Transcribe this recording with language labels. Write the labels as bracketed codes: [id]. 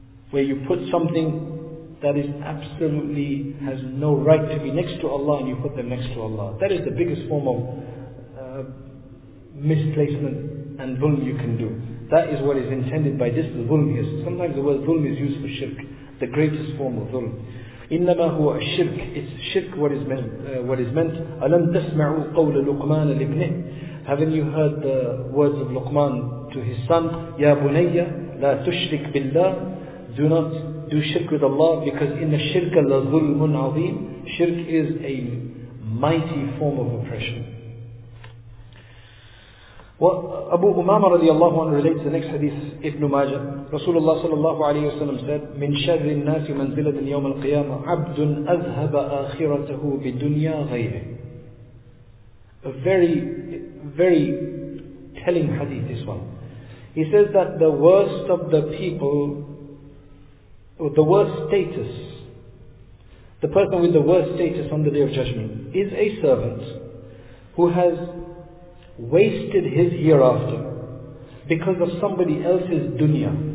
[en] Where you put something that is absolutely has no right to be next to Allah and you put them next to Allah. That is the biggest form of misplacement and zulm you can do. That is what is intended by this zulm here. Sometimes the word zulm is used for shirk, the greatest form of zulm. [ar] إنما هو الشرك. [en] It's shirk what is meant. [ar] ألم تسمعوا قول لقمان لابنه. [en] Haven't you heard the words of Luqman to his son? [ar] يا بنية لا تشرك بالله. [en] Do not do shirk with Allah, because [ar] إن الشرك لظلم عظيم. [en] Shirk is a mighty form of oppression. Abu Umama radiallahu anhu relates the next hadith, Ibn Majah. Rasulullah sallallahu alayhi wa sallam said, [ar] مِنْ شَرِّ النَّاسِ مَنْزِلَةٍ يَوْمَ الْقِيَامَةِ عَبْدٌ أَذْهَبَ آخِرَتَهُ بِالدُّنْيَا غَيْرِهِ. [en] A very, very telling hadith, this one. He says that the worst of the people, or the worst status, the person with the worst status on the Day of Judgment, is a servant who has wasted his hereafter because of somebody else's dunya.